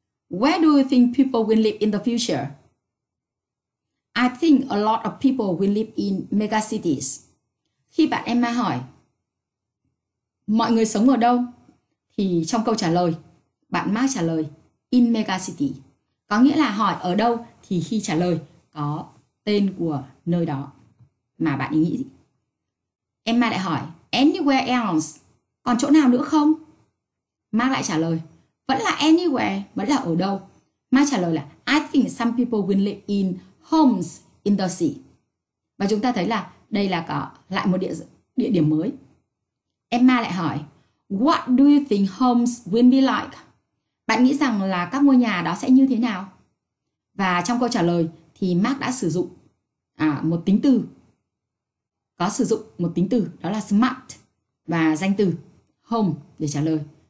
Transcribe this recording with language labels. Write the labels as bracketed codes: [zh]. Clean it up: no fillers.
[en] Where do you think people will live in the future? I think a lot of people will live in megacities. [vi] Khi bạn Emma hỏi, mọi người sống ở đâu? Thì trong câu trả lời, bạn Mark trả lời, in megacity. Có nghĩa là hỏi ở đâu thì khi trả lời có tên của nơi đó. Mà bạn ý nghĩ. Emma lại hỏi, anywhere else? Còn chỗ nào nữa không? Mark lại trả lời, vẫn là anywhere, vẫn là ở đâu. Mark trả lời là, [en] I think some people will live in homes in the sea. [vi] Và chúng ta thấy là đây là có lại một địa điểm mới. Emma lại hỏi, [en] what do you think homes will be like? [vi] Bạn nghĩ rằng là các ngôi nhà đó sẽ như thế nào? Và trong câu trả lời thì Mark đã sử dụng một tính từ. Có sử dụng một tính từ, đó là smart và danh từ home để trả lời.